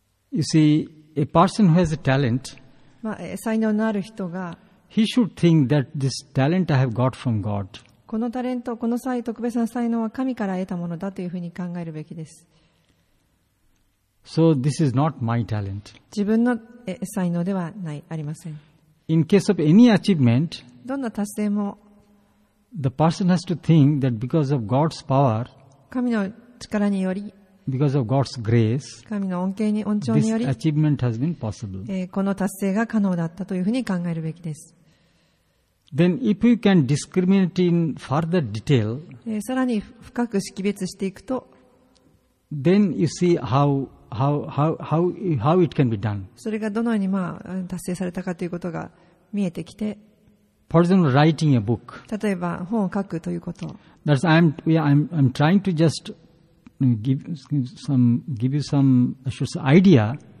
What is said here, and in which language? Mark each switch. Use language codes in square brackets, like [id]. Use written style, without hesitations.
[en] You see, a person who has a talent, [ja] まあ、才能のある人が、 [en] He should think that this talent I have got from God. [ja] このタレント、この才、特別な才能は神から得たものだというふうに考えるべきです。 [en] So this is not my talent. [ja] 自分の才能ではない、ありません。 [en] In case of any achievement, [ja] どんな達成も、 [en] The person has to think that because of God's power, [ja] 神の力により、 [en] because of God's grace, [ja] 神の恩恵に恩寵により、 [en] this achievement has been possible. [ja] この達成が可能だったというふうに考えるべきです。 [en] Then if we can discriminate in further detail, [ja] さらに深く識別していくと、 [en] then you see how it can be done. [ja] それがどのようにまあ達成されたかということが見えてきて、 [en] For example, writing a book. [ja] 例えば本を書くということ。 [en] That's I'm trying to just give you some I should say idea.